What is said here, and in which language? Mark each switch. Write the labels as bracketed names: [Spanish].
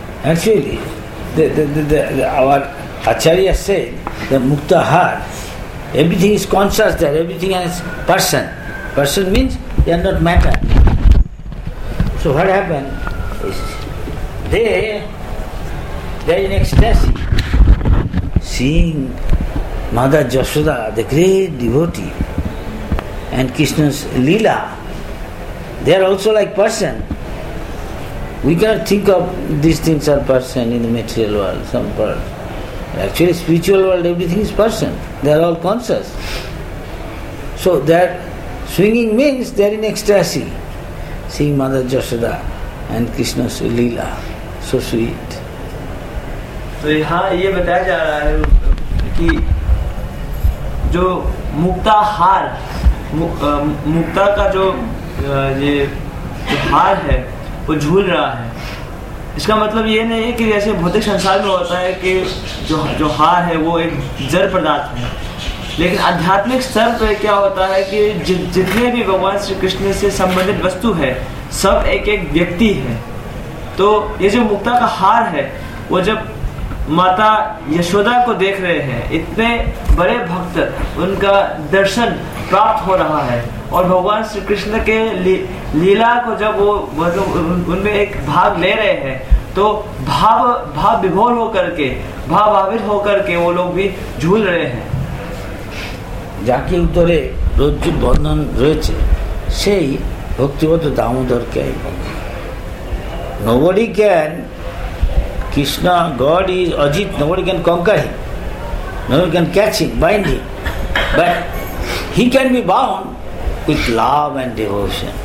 [English] Actually our Acharya say the mukta हार everything is conscious there everything is person person means you are not matter so what happened is they in ecstasy seeing Mother Yashoda, the great devotee, and Krishna's Leela. They are also like person. We cannot think of these things as person in the material world, some part. Actually, spiritual world, everything is person. They are all conscious. So that swinging means they are in ecstasy, seeing Mother Yashoda and Krishna's Leela. So sweet. [Hindi] तो यहाँ ये बताया जा रहा है कि जो मुक्ता हार मुक्ता का जो ये हार है वो झूल रहा है इसका मतलब ये नहीं है कि जैसे भौतिक संसार में होता है कि जो हार है वो एक जड़ पदार्थ है लेकिन आध्यात्मिक स्तर पर क्या होता है कि जितने भी भगवान श्री कृष्ण से संबंधित वस्तु है सब एक एक व्यक्ति है तो ये जो मुक्ता का हार है वो जब माता यशोदा को देख रहे हैं इतने बड़े भक्त उनका दर्शन प्राप्त हो रहा है और भगवान श्री कृष्ण के लीला को जब वो उनमें एक भाग ले रहे हैं तो भाव विभोर होकर के भावित होकर के वो लोग भी झूल रहे हैं जाके उतरे रोज वर्णन रोचे से भक्तिवत दामोदर के [English] Nobody can, Krishna, God is Ajit, nobody can conquer him. Nobody can catch him, bind him. But he can be bound with love and devotion.